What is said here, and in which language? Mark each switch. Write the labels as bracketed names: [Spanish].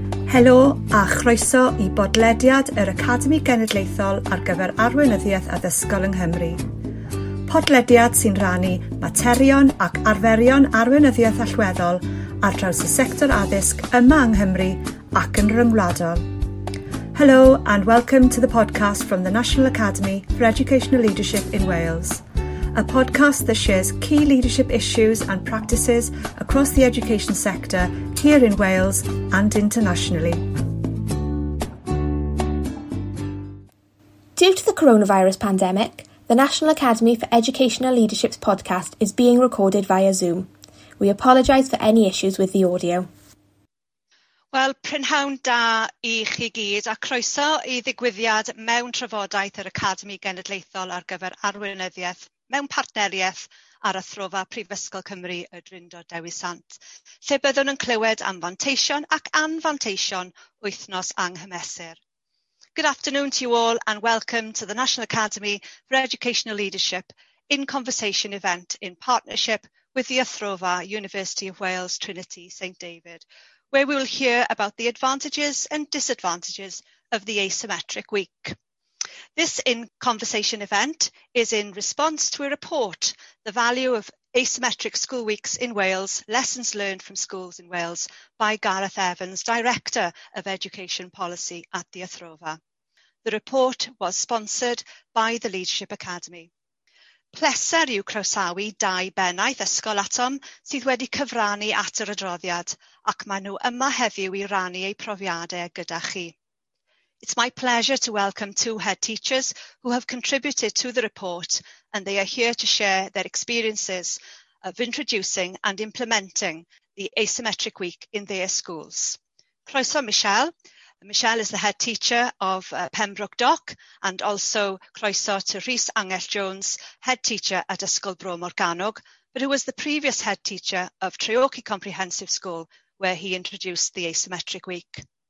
[Welsh] Helo a chroeso I bodlediad yr Academi Genedlaethol ar gyfer Arweinyddiaeth Addysgol yng Nghymru. Podlediad sy'n rannu materion ac arferion arweinyddiaeth allweddol ar draws y sector addysg yma yng Nghymru ac yn rhyngwladol. [English] Hello and welcome to the podcast from the National Academy for Educational Leadership in Wales, a podcast that shares key leadership issues and practices across the education sector here in Wales and internationally. Due to the coronavirus pandemic, the National Academy for Educational Leadership's podcast is being recorded via Zoom. We apologise for any issues with the audio. [Welsh] Well, prynhawn da I chi gyd a croeso I ddigwyddiad mewn trafodaeth yr Academi Genedlaethol ar gyfer arweinyddiaeth mewn partneriaeth ar y Throfa Prifysgol Cymru y Drindod Dewi Sant, lle byddwn yn clywed am fanteision ac anfanteision wythnos anghymesur. [English] Good afternoon to you all and welcome to the National Academy for Educational Leadership in Conversation event in partnership with the Athrova University of Wales Trinity St David, where we will hear about the advantages and disadvantages of the asymmetric week. This in conversation event is in response to a report, The Value of Asymmetric School Weeks in Wales, Lessons Learned from Schools in Wales, by Gareth Evans, Director of Education Policy at the Athrova. The report was sponsored by the Leadership Academy. [Welsh] Pleser yw croesawu dau bennaeth ysgol atom sydd wedi cyfrannu at yr adroddiad ac maen nhw yma heddiw I rannu eu profiadau gyda chi. [English] It's my pleasure to welcome two head teachers who have contributed to the report and they are here to share their experiences of introducing and implementing the asymmetric week in their schools. Croeso Michelle. Michelle is the head teacher of Pembroke Dock and also croeso to Rhys Angell-Jones, head teacher at Ysgol Bro Morganog, but who was the previous head teacher of Treorci Comprehensive School, where he introduced the asymmetric week.